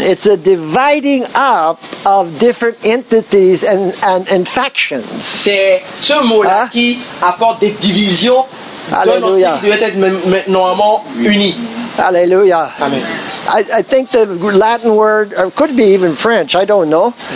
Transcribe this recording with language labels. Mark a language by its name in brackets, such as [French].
[English] It's a dividing up of different entities and factions. [French] C'est ce mot-là qui apporte des divisions. Alléluia. Donc, on sait qu'il doit être normalement uni. Alléluia. Amen. [English] I think the Latin word, or could be even French, I don't know.